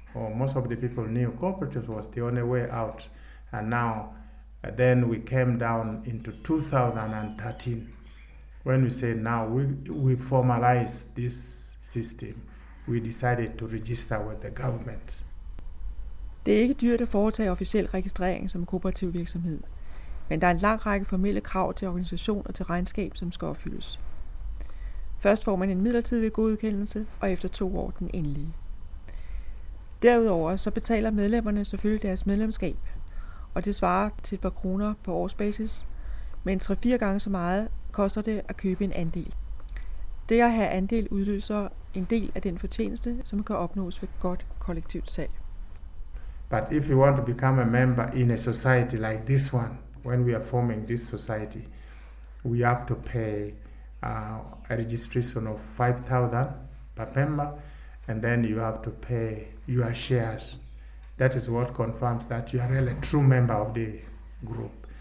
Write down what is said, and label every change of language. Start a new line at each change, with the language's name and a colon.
English: Or most of the people knew cooperatives was the only way out. And now, then we came down into 2013. When we say now we formalize this system, we decided to register with the government.
Danish: Det er ikke dyrt at foretage officiel registrering som kooperativ virksomhed, men der er en lang række formelle krav til organisation og til regnskab, som skal opfyldes. Først får man en midlertidig godkendelse, og efter 2 år den endelige. Derudover så betaler medlemmerne selvfølgelig deres medlemskab, og det svarer til et par kroner på årsbasis, men 3-4 gange så meget koster det at købe en andel. Det at have andel udløser en del af den fortjeneste, som kan opnås ved godt kollektivt salg.
English: But if you want to become a member in a society like this one, when we are forming this society, we have to pay a registration of 5,000 per member, and then you have to pay your shares. That is what confirms that you are really a true member of the group.